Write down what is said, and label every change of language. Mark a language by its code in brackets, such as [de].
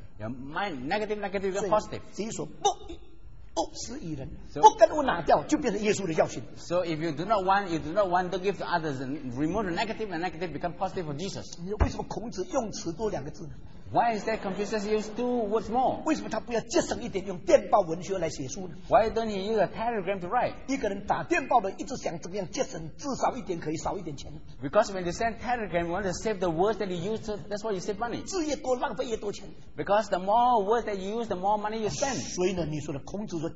[en] Negative, negative, positive. [zh] 所以说不。不施于人，不跟我拿掉，就变成耶稣的教训。 [en] So if you do not want, you do not want to give to others, and remove the negative, and negative become positive for Jesus. [zh] 为什么孔子用词多两个字呢？ [en] Why is that Confucius use two words more? [zh] 为什么他不要节省一点用电报文学来写书呢？ [en] Why don't he use a telegram to write? [zh] 一个人打电报的一直想怎么样节省，至少一点可以少一点钱。 [en] Because when they send telegram, you want to save the words that you use, that's why you save money. [zh] 字越多浪费越多钱。 [en] Because the more words that you use, the more money you spend.